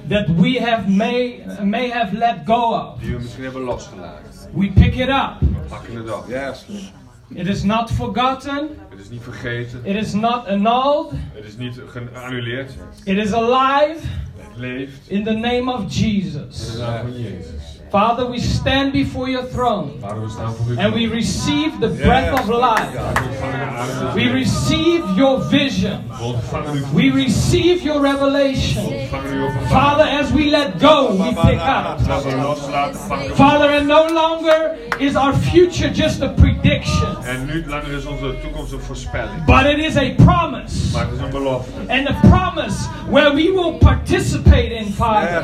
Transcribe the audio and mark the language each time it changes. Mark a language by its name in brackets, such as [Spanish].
[English] That we have may have let go of. [Dutch] Die we misschien hebben losgelaten. [English] We pick it up. [Dutch] We pakken het op. [English] Yes. It is not forgotten. [Dutch] Het is niet vergeten. [English] It is not annulled. [Dutch] Het is niet geannuleerd. [English] It is alive. [Dutch] Het leeft. [English] In the name of Jesus. [Dutch] In de naam van Jezus. [English] Father, we stand before your throne. [Dutch] Vader, we staan voor uw [English] and we receive the breath of life. We receive your vision. We receive your revelation. Father, as we let go, we pick up. Father, and no longer is our future just a prediction. [Dutch] En nu langer is onze toekomst een voorspelling. [English] But it is a promise. [Dutch] Maar het is een belofte. [English] And a promise where we will participate in, Father.